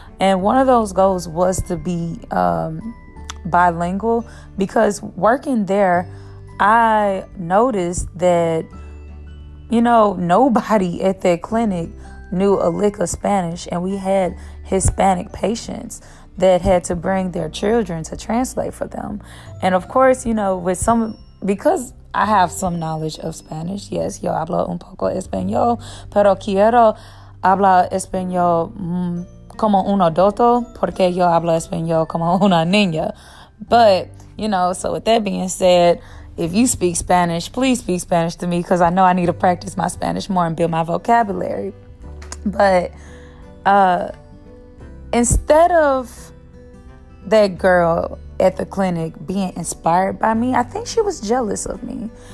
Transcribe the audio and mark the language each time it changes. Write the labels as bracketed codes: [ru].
[en] And one of those goals was to be bilingual, because working there, I noticed that, you know, nobody at that clinic knew a lick of Spanish, and we had Hispanic patients that had to bring their children to translate for them. And of course, you know, with some, because I have some knowledge of Spanish, yes, [es] yo hablo un poco español, pero quiero hablar español como un adulto, porque yo hablo español como una niña. [en] But, you know, so with that being said, if you speak Spanish, please speak Spanish to me, because I know I need to practice my Spanish more and build my vocabulary. But instead of that girl at the clinic being inspired by me, I think she was jealous of me.